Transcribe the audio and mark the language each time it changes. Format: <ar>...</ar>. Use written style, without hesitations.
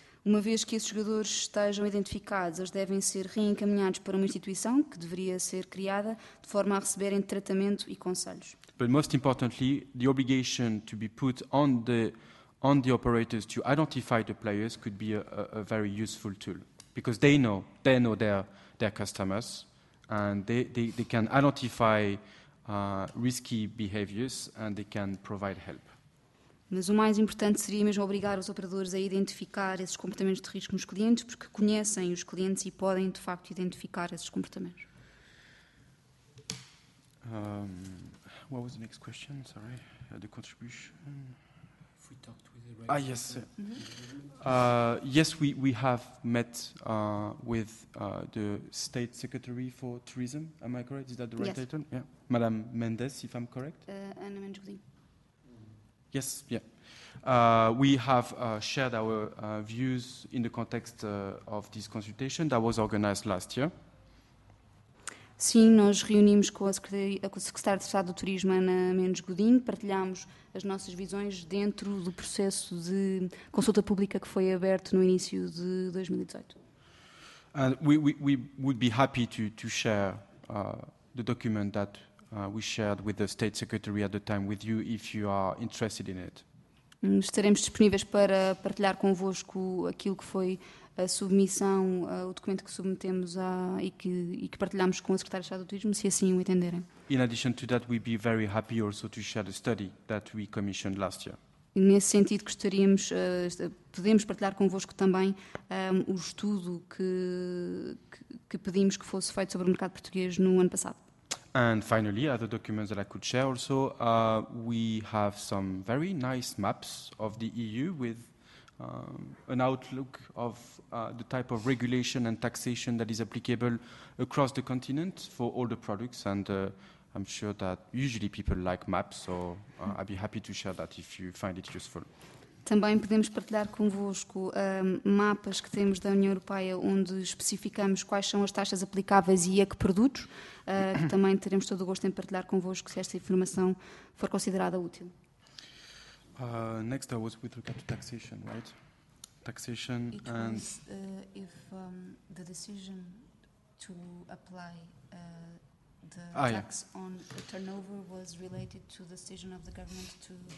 <pt>Uma vez que esses jogadores estejam identificados, eles devem ser reencaminhados para uma instituição que deveria ser criada de forma a receberem tratamento e conselhos.</pt> <en>But most importantly, the obligation to be put on the operators to identify the players could be a very useful tool, because they know their customers, and they can identify risky behaviors and they can provide help.</en> <pt>Mas o mais importante seria mesmo obrigar os operadores a identificar esses comportamentos de risco nos clientes, porque conhecem os clientes e podem, de facto, identificar esses comportamentos.</pt> <en>What was the next question? Sorry. The contribution. If we talked with the right... Ah, yes. Mm-hmm. Yes, we have met with the State Secretary for Tourism. Am I correct? Is that the right yes. title? Yeah. Madame Mendes, if I'm correct. Ana Mendes Godinho. Yes, yeah. We have shared our views in the context of this consultation that was organized last year.</en> <pt>Sim, nós reunimos com a Secretária de Estado do Turismo, Ana Mendes Godinho, partilhámos as nossas visões dentro do processo de consulta pública que foi aberto no início de 2018.</pt> <en>And we would be happy to share the document that we shared with the State Secretary at the time with you, if you are interested in it.</en> <pt>Estaremos disponíveis para partilhar convosco aquilo que foi a submissão, o documento que submetemos e que partilhamos com a Secretaria de Estado do Turismo, se assim o entenderem.</pt> <en>In addition to that, we'd be very happy also to share the study that we commissioned last year.</en> <pt>Nesse sentido, gostaríamos, podemos partilhar convosco também o estudo que pedimos que fosse feito sobre o mercado português no ano passado.</pt> <en>And finally, other documents that I could share also, we have some very nice maps of the EU with an outlook of the type of regulation and taxation that is applicable across the continent for all the products, and I'm sure that usually people like maps, so I'd be happy to share that if you find it useful.</en> <pt>Também podemos partilhar convosco mapas que temos da União Europeia, onde especificamos quais são as taxas aplicáveis e a que produtos. Que também teremos todo o gosto em partilhar convosco se esta informação for considerada útil.</pt> <en>Next, I was with regard to taxation, right? Taxation it and... Was, if the decision to apply the tax yeah. on the turnover was related to the decision of the government to...</en>